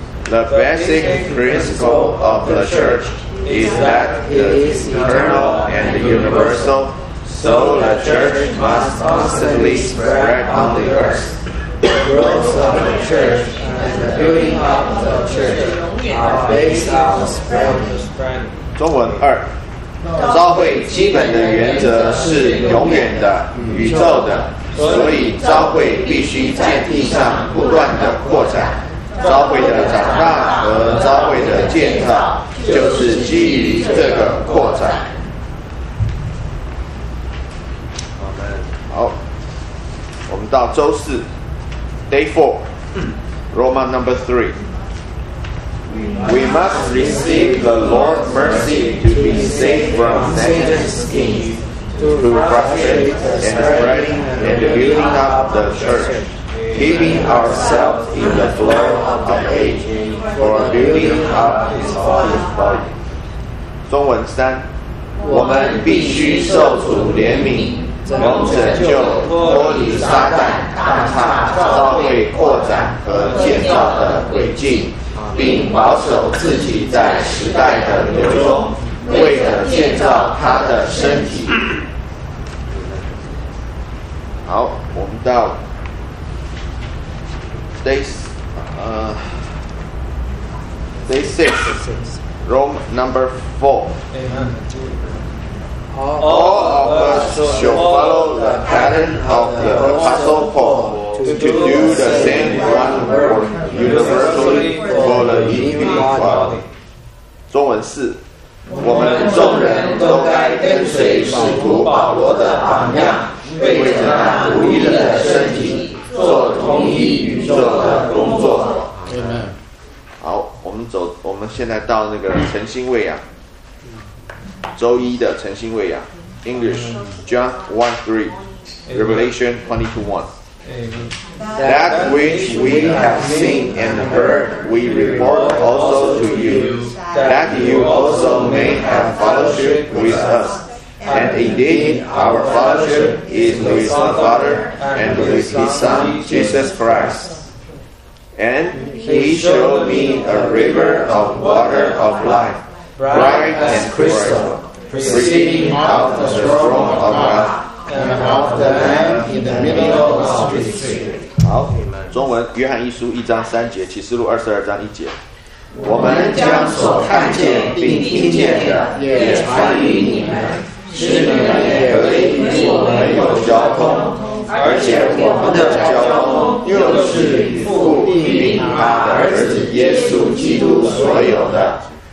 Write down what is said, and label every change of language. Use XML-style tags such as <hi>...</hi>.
<en>The basic principle of the church is that it is eternal and universal, so the church must constantly spread on the earth. The growth of the church and the building up of the church are based on the spread.</en> <zh>中文二，召会基本的原则是永远的、宇宙的，所以召会必须在地上不断的扩展。召会的长大和召会的建造，就是基于这个扩展。好，我们到周四 ，</zh> <en>Day Four， Roman Number Three。 We must receive the Lord's mercy to be saved from Satan's schemes, to frustrate and spread and building up the church, keeping ourselves in the flow of age for building up his father's body.</en> <zh>中文三，我们必须受主怜悯，蒙拯救，脱离撒旦当他召会扩展和建造的轨迹，并保守自己在时代的流中，为了建造他的身体。好，我们到</zh> <en>day six, Rome number four. All of us should follow the pattern of the Apostle Paul to do the same one word universally for the unified body.</en> <zh>中文是，我们众人都该跟随使徒保罗的榜样，为着那独一的身体做同一宇宙的工作。好，我们走，我们现在到那个晨星喂养。周一的晨星喂养 ，</zh> <en>English John 1:3, Revelation 22:1. That which we have seen and heard, we report also to you, that you also may have fellowship with us. And indeed, our fellowship is with the Father and with His Son Jesus Christ. And he showed me a river of water of life, bright and crystal, proceeding out of the throne of God and of the Lamb in the middle of his tree.</en> <zh>好，中文，约翰一书一章三节，启示录二十二章一节。我们将所看见并听见的也传与你们，使你们也可以与我们有交通，而且我们的交通又是与父并领他儿子耶稣基督所有的。</zh>